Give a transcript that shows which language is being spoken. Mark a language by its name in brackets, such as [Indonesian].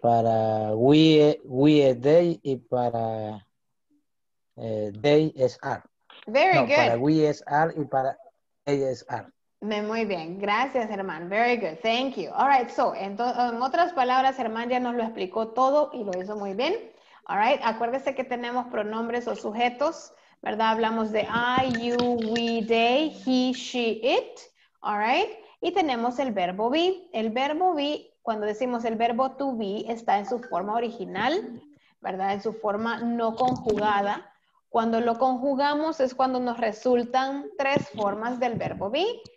[Spanish] Para we they y para they is are. [English] Very [Spanish] no, [English] good. [Spanish] Para we is are y para they is are. Muy bien. Gracias, [English] Germán. Very good. Thank you. All right. [Spanish] So, en otras palabras, Germán ya nos lo explicó todo y lo hizo muy bien. [English] All right. [Spanish] Acuérdese que tenemos pronombres o sujetos, ¿verdad? Hablamos de I, you, we, they, he, she, it. [English] All right. [Spanish] Y tenemos el verbo be. El verbo be, cuando decimos el verbo to be, está en su forma original, ¿verdad? En su forma no conjugada. Cuando lo conjugamos es cuando nos resultan tres formas del verbo be.